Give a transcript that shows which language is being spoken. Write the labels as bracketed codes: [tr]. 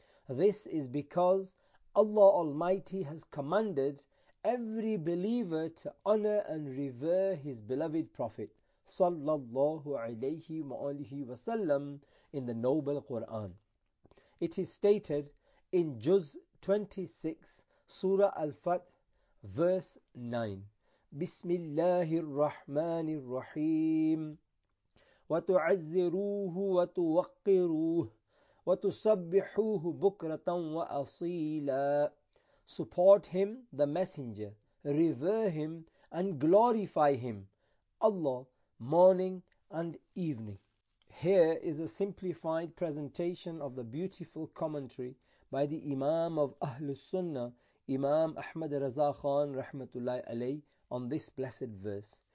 [en] This is because Allah Almighty has commanded every believer to honor and revere his beloved Prophet sallallahu alayhi wa alihi wa sallam in the noble Quran. It is stated in Juz 26, Surah Al-Fath, verse 9. [ar] بسم الله الرحمن الرحيم وتعزروه وتوقروه وتسبحوه بكرة وأصيلا. [en] Support him, the messenger, revere him and glorify him, Allah, morning and evening. Here is a simplified presentation of the beautiful commentary by the Imam of Ahlus Sunnah, Imam Ahmad Raza Khan rahmatullahi alayh, on this blessed verse.